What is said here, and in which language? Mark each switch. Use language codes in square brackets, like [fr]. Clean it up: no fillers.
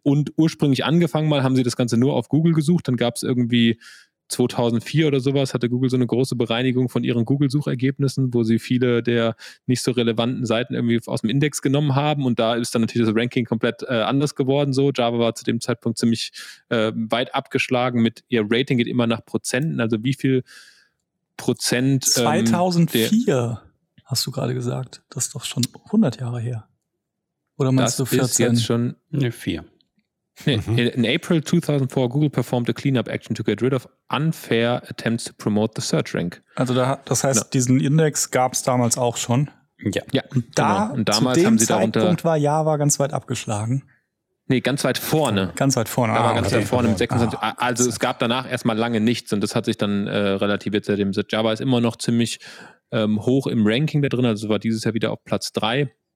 [de] Und ursprünglich angefangen mal haben sie das Ganze nur auf Google gesucht, dann gab es irgendwie 2004 oder sowas, hatte Google so eine große Bereinigung von ihren Google-Suchergebnissen, wo sie viele der nicht so relevanten Seiten irgendwie aus dem Index genommen haben und da ist dann natürlich das Ranking komplett anders geworden. So, Java war zu dem Zeitpunkt ziemlich weit abgeschlagen mit ihr Rating geht immer nach Prozenten, also wie viel Prozent 2004 hast du gerade gesagt, das ist doch schon 100 Jahre her. Oder meinst du 14? Das ist jetzt schon 4. [en] Nee, in April 2004, Google performed a cleanup action to get rid of unfair attempts to promote the search rank. [de] Also da, das heißt, diesen Index gab es damals auch schon. Ja. Und da, genau. Und damals zu dem haben sie Zeitpunkt darunter, war Java ganz weit abgeschlagen. Nee, ganz weit vorne. Ganz weit vorne. Aber ganz weit vorne mit 26. Also es gab danach erstmal lange nichts und das hat sich dann relativiert seitdem. Java ist immer noch ziemlich hoch im Ranking da drin, also war dieses Jahr wieder auf Platz 3.